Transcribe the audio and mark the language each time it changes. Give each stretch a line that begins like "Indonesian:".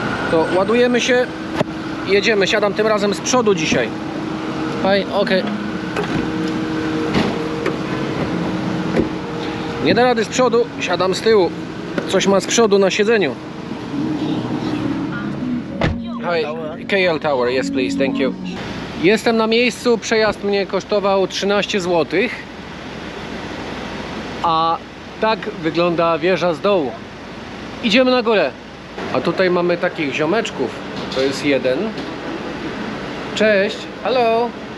Polish: To ładujemy się. Jedziemy, siadam tym razem z przodu dzisiaj. Fajnie, okej. Nie da rady z przodu, siadam z tyłu. Coś ma z przodu na siedzeniu.
English: Hi, KL Tower, yes please, thank you.
Polish: Jestem na miejscu, przejazd mnie kosztował 13 zł. A tak wygląda wieża z dołu. Idziemy na górę. A tutaj mamy takich ziomeczków. To jest jeden. Cześć, hello.